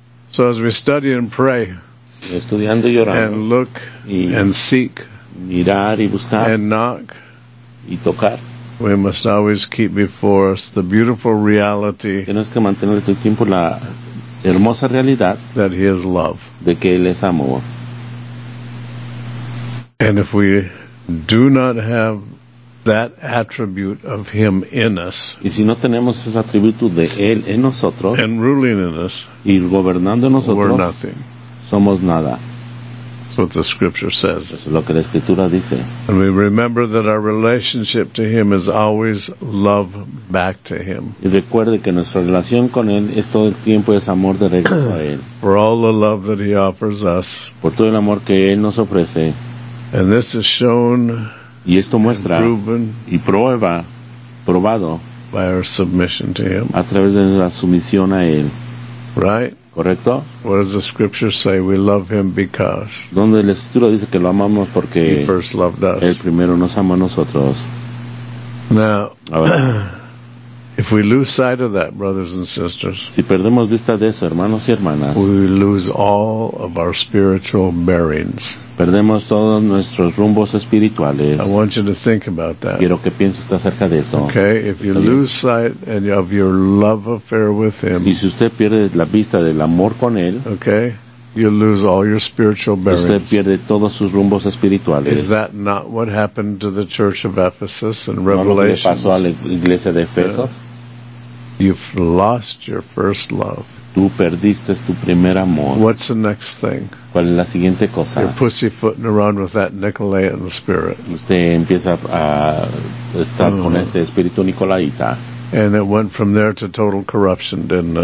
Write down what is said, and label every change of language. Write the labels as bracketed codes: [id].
[en] So as we study and pray, [es] estudiando y orando, [en] and look and seek, [es] mirar y buscar, [en] and knock [es] y tocar, [en] we must always keep before us the beautiful reality. [es] Tienes que mantener tu tiempo la hermosa realidad [en] that he is love, [es] de que él es amor. [en] And if we do not have that attribute of him in us, [es] y si no tenemos ese atributo de él en nosotros, [en] and ruling in us, [es] y gobernando nosotros, [en] we're nothing. [es] Somos nada. [en] That's what the scripture says. [es] Es lo que la escritura dice. [en] And we remember that our relationship to him is always love back to him. [es] Y recuerde que nuestra relación con él es todo el tiempo es amor de regreso a él. [en] For all the love that he offers us, [es] por todo el amor que él nos ofrece, [en] and this is shown. [es] Y esto muestra y prueba, probado [en] by our submission to him. [es] A través de la sumisión a él. [en] Right? [es] ¿Correcto? [en] What does the scripture say? We love him because. [es] Donde la escritura dice que lo amamos porque [en] he first loved us. [es] Él primero nos amó a nosotros. [en] Now, if we lose sight of that, brothers and sisters, [es] si perdemos vista de eso, hermanos y hermanas, [en] we lose all of our spiritual bearings. [es] Perdemos todos nuestros rumbos espirituales. [en] I want you to think about that. [es] Quiero que piense usted acerca de eso. [en] Okay, if you lose sight and you have your love affair with him, [es] y si usted pierde la vista del amor con él, [en] okay, you lose all your spiritual bearings. [es] Usted pierde todos sus rumbos espirituales. [en] Is that not what happened to the church of Ephesus in Revelation? [es] ¿No le pasó a la iglesia de Éfeso? [en] You've lost your first love. [es] Tú perdiste tu primer amor. [en] What's the next thing? [es] ¿Cuál es la siguiente cosa? [en] You're pussyfooting around with that Nicolaitan spirit. [es] Usted empieza a estar con ese espíritu nicolaita. [en] And it went from there to total corruption, didn't it?